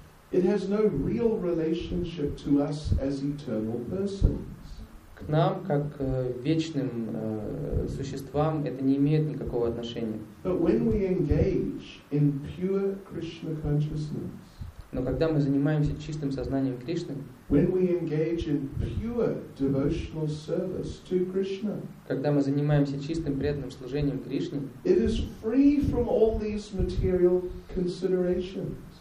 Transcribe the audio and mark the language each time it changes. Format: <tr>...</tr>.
<en>It has no real relationship to us as eternal persons.</en> <ru>К нам, как вечным существам, это не имеет никакого отношения.</ru> <en>But when we engage in pure Krishna consciousness,</en> <ru>но когда мы занимаемся чистым сознанием Кришны,</ru> <en>when we engage in pure devotional service to Krishna,</en> <ru>когда мы занимаемся чистым преданным служением Кришне,</ru> <en>it is free from all these material considerations.</en>